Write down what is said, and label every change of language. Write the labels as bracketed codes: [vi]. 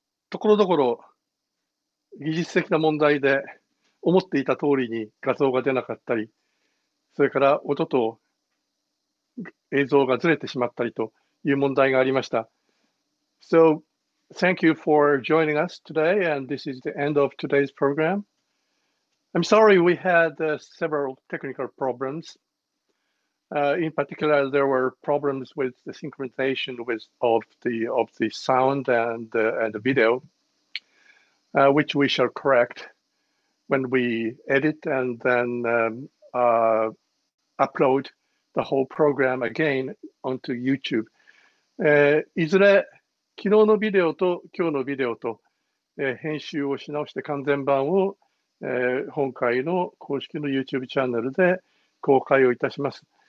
[ja] ところどころ、技術的な問題で思っていた通りに画像が出なかったり、それから音と映像がずれてしまったりという問題がありました。 [en] So, thank you for joining us today, and this is the end of today's program. I'm sorry we had several technical problems. In particular, there were problems with the synchronization with of the sound and the video, which we shall correct when we edit and then upload the whole program again onto YouTube. [ja] いずれ昨日のビデオと今日のビデオと、編集をし直して完全版を今回の公式の YouTube チャンネルで公開をいたします。